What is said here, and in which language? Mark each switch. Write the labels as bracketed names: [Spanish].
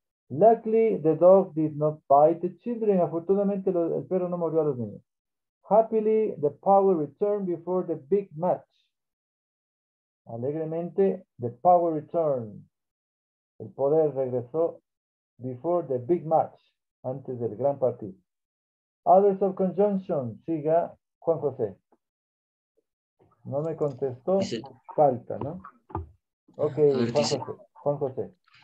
[English] Luckily, the dog did not bite the children. [Spanish] Afortunadamente, el perro no mordió a los niños. [English] Happily, the power returned before the big match. [Spanish] Alegremente, [English] the power returned. [Spanish] El poder regresó [English] before the big match, [Spanish] antes del gran partido. [English] Others of conjunction. [Spanish] Siga, Juan José. No me contestó. Falta, ¿no? Ok, Juan José. Juan José.